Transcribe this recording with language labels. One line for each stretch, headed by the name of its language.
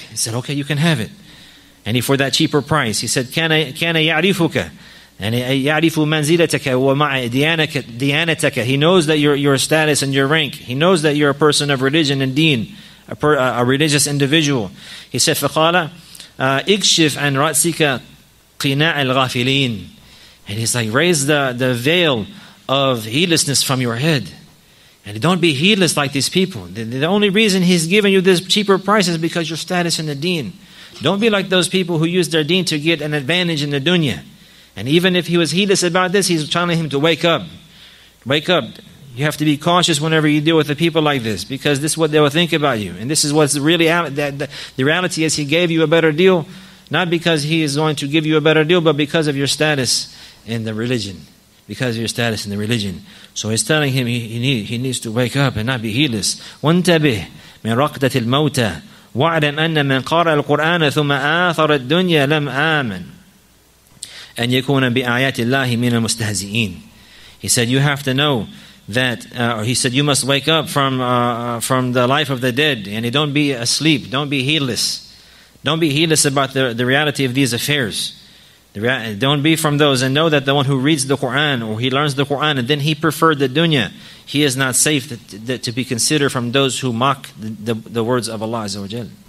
English: He said, okay, you can have it. And he, for that cheaper price, he said,
Arabic: كَانَ يَعْرِفُكَ.
English: And
Arabic: يَعْرِفُ مَنْزِلَتَكَ وَمَعَ دِيَانَتَكَ.
English: He knows that your status and your rank. He knows that you're a person of religion and deen, a religious individual. He said,
Arabic: فَقَالَ اِكْشِفْ عَنْ رَأْسِكَ قِنَاعَ الْغَافِلِينَ.
English: And he's like, raise the veil of heedlessness from your head. And don't be heedless like these people. The only reason he's giving you this cheaper price is because your status in the deen. Don't be like those people who use their deen to get an advantage in the dunya. And even if he was heedless about this, he's telling him to wake up. Wake up. You have to be cautious whenever you deal with the people like this, because this is what they will think about you. And this is what's really the reality is, he gave you a better deal, not because he is going to give you a better deal, but because of your status in the religion. Because of your status in the religion. So he's telling him he needs to wake up and not be heedless.
Arabic: وَانْتَبِهْ مِنْ رَقْدَةِ الْمَوْتَى وَعْدَمْ أَنَّ مَنْ قَارَ الْقُرْآنَ ثُمَّ آثَرَ الدُّنْيَا لَمْ آمَنْ أَنْ يَكُونَ بِآيَاتِ اللَّهِ مِنَ الْمُسْتَهْزِئِينَ.
English: He said, you have to know that, you must wake up from the life of the dead. And don't be asleep, don't be heedless. Don't be heedless about the reality of these affairs. Don't be from those, and know that the one who reads the Quran, or he learns the Quran, and then he preferred the dunya, he is not safe to be considered from those who mock the words of Allah Azza wa Jal.